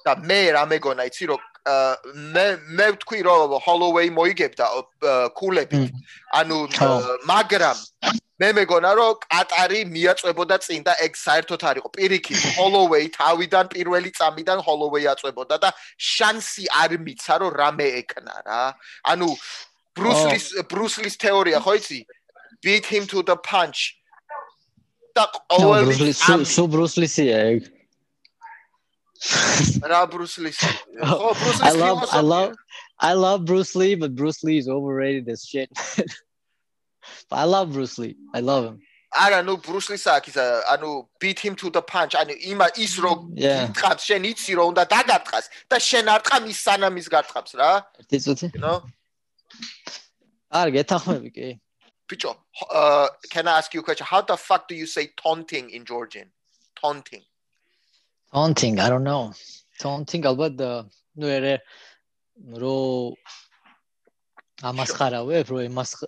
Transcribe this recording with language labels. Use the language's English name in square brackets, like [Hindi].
[Georgian] და მე რა მეგონა იცი რომ მე ვთქვი რომ ჰოლოვეი მოიგებდა ქულებით ანუ მაგრამ მე მეგონა რომ კატარი მიაწვებოდა წინ და ეგ საერთოდ არისო პირიქით ჰოლოვეი თავიდან პირველი წამიდან ჰოლოვეი აწვებოდა და შანსი არ მიცა რომ რამე ეკნა რა ანუ ბრუსლის თეორია ხო იცი [English] beat him to the punch [Georgian] და ბრუსლისია ეგ რა Bruce Lee. [English] ხო, Bruce Lee. I love Bruce Lee, but Bruce Lee is overrated as shit. But I love Bruce Lee. I love him. [Georgian] არა, ნუ Bruce Lee-ს აქვს ისა, ანუ [English] beat him to the punch, [Georgian] ანუ იმ ის რო გიტყავს, შენ იცი რომ უნდა დაგარტყას და შენ არ თყამ ის სანამ ის გარტყავს რა. ერთი წუთი. ნო. არ გეთახმები, კი. [English] ბიჭო, can I ask you a question? How the fuck do you say taunting in Georgian? Taunting. Taunting, I don't know. Taunting, but the [Georgian] no era ro amaskharave, ro mas